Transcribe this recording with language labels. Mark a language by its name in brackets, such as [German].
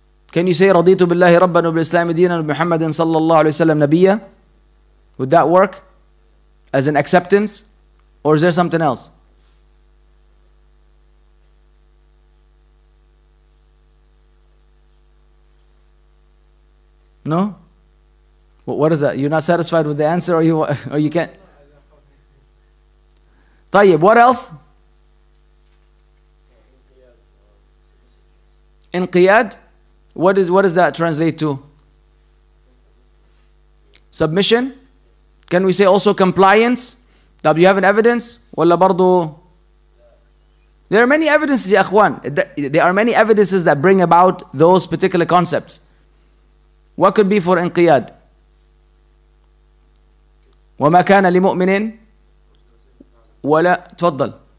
[English] Can you say [Arabic] رضيت بالله ربا وبالإسلام دينا وبمحمد صلى الله عليه وسلم نبيا? [English] Would that work as an acceptance, or is there something else? No. What is that? You're not satisfied with the answer, or you can't? طيب, what else? انقياد. What does that translate to? Submission? Can we say also compliance? Do you have an evidence? [Arabic] ولا برضو? [English] There are many evidences, [Arabic] يا أخوان. [English] There are many evidences that bring about those particular concepts. What could be for انقياد? [Arabic] وما كان لمؤمنين ولا تفضل.